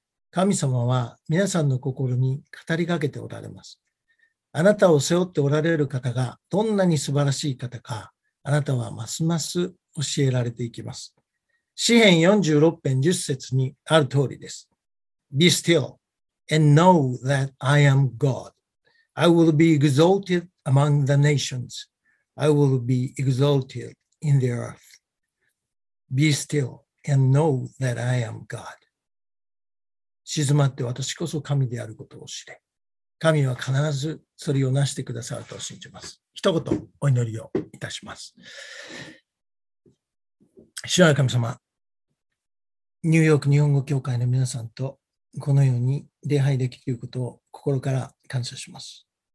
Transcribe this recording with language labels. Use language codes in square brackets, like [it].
[ja] 神様は皆さんの心に語りかけておられます。あなたを背負っておられる方がどんなに素晴らしい方か、あなたはますます教えられていきます。詩編46編10節にある通りです。 [en] Be still and know that I am God. I will be exalted among the nations. I will be exalted in the earth. Be still and know that I am God. [ja] 静まって私こそ神であることを知れ。神は必ずそれを成してくださると信じます。一言お祈りをいたします。主なる神様、ニューヨーク日本語協会の皆さんとこのように礼拝できることを心から感謝します。